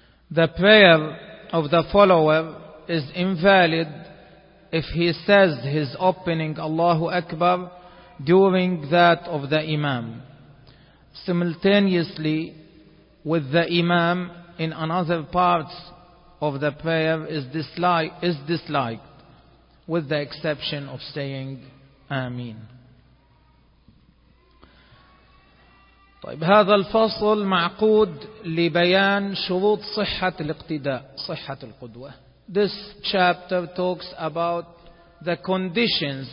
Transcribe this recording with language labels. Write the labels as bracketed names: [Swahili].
[English] The prayer of the follower is invalid if he says his opening Allahu Akbar during that of the Imam, simultaneously with the Imam in another part of the prayer is disliked, with the exception of saying Ameen. [Arabic] طيب هذا الفصل معقود لبيان شروط صحة الاقتداء صحة القدوة. [English] This chapter talks about the conditions.